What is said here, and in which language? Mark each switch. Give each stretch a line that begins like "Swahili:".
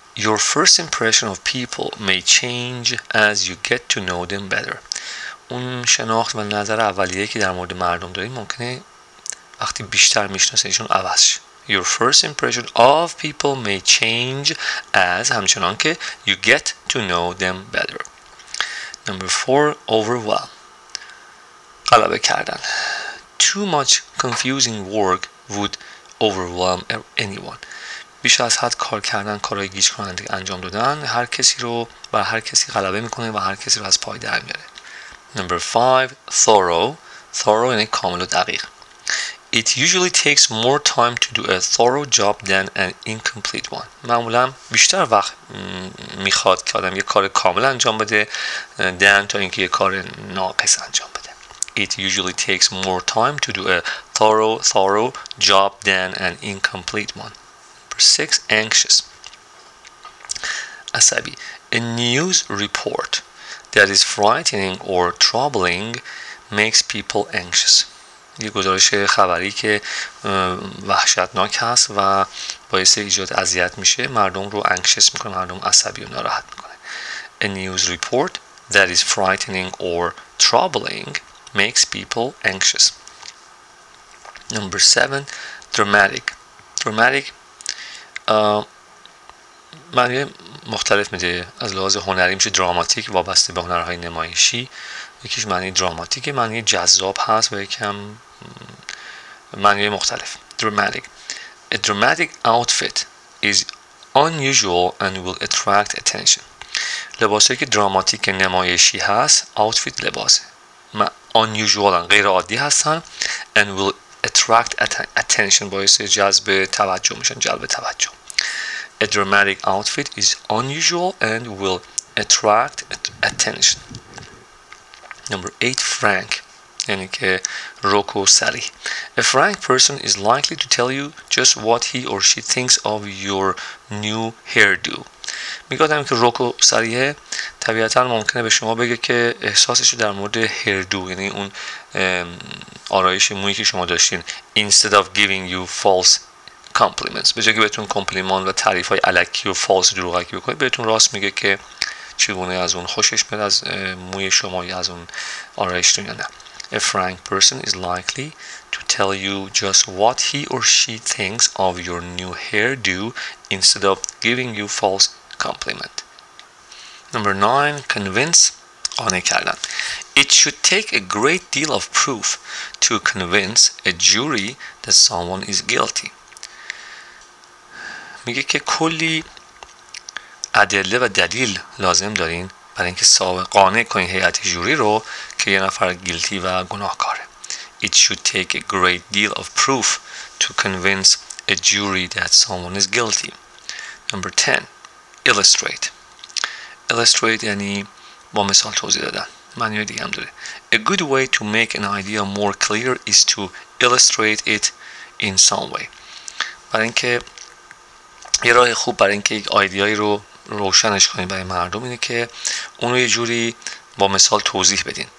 English: Your first impression of people may change as you get to know them better.
Persian: اون شناخت و نظر اولیه که در مورد مردم دارید ممکنه وقتی بیشتر میشناسیشون عوض شه.
English: Your first impression of people may change as
Persian: همچنان که
English: you get to know them better. Number 4, overwhelm.
Persian: غلبه کردن.
English: Too much confusing work would overwhelm anyone.
Persian: بیش از حد کار کردن کارهای گیج کننده انجام دادن هر کسی رو و هر کسی غلبه میکنه و هر کسی رو از پای در میاره.
English: Number 5, thorough.
Persian: Thorough یعنی کامل و دقیق.
English: It usually takes more time to do a thorough job than an incomplete one.
Persian: معمولا بیشتر وقت میخواد که آدم یک کار کامل انجام بده
English: than
Persian: تا اینکه یک کار ناقص انجام بده.
English: It usually takes more time to do a thorough job than an incomplete one. Number 6, anxious.
Persian: عصبی.
English: A news report that is frightening or troubling makes people anxious.
Persian: یه گزارش خبری که وحشتناک هست و باعث ایجاد اذیت میشه مردم رو انکشس میکنه، مردم عصبی و ناراحت میکنه.
English: A news report that is frightening or troubling makes people anxious. Number 7, dramatic. Dramatic
Persian: معنی مختلف میده. از لحاظ هنری میشه دراماتیک، وابسته به هنرهای نمایشی. یکیش معنی دراماتیکه، معنی جذاب هست و یکم معنی مختلف.
English: Dramatic. A dramatic outfit is unusual and will attract attention.
Persian: لباسی که دراماتیک نمایشی هست، outfit لباسه. Unusual هستن، غیر عادی هستن.
English: And will attract attention،
Persian: باعث جذب توجه میشن، جلب توجه.
English: A dramatic outfit is unusual and will attract attention. Number 8, frank.
Persian: یعنی که روک و صریح.
English: A frank person is likely to tell you just what he or she thinks of your new hairdo.
Persian: میگادم که روک و صریح طبیعتا ممکنه به شما بگه که احساسش در مورد hairdo، یعنی اون آرایش مویی که شما داشتین،
English: instead of giving you false compliments،
Persian: به جای که بهتون کمپلیمان و تعریف های الکی و فالس دروغکی بکنه، بهتون راست میگه که چگونه از اون خوشش میاد، از موی شما یا از اون آرایشتون یا نه.
English: A frank person is likely to tell you just what he or she thinks of your new hairdo instead of giving you false compliment. Number 9, convince,
Persian: قانع کردن.
English: It should take a great deal of proof to convince a jury that someone is guilty.
Persian: میگه که کلی ادله و دلیل لازم دارین برای اینکه سابقه قانع کنین هیئت جوری رو که یه نفر گیلتی و گناهکاره.
English: It should take a great deal of proof to convince a jury that someone is guilty. Number 10. Illustrate.
Persian: Illustrate یعنی با مثال توضیح دادن. معنی دیگه هم داره.
English: A good way to make an idea more clear is to illustrate it in some way.
Persian: برای اینکه یه راه خوب برای اینکه یک ایده‌ای رو روشنش کنین برای مردم اینه که اون رو یه جوری با مثال توضیح بدین.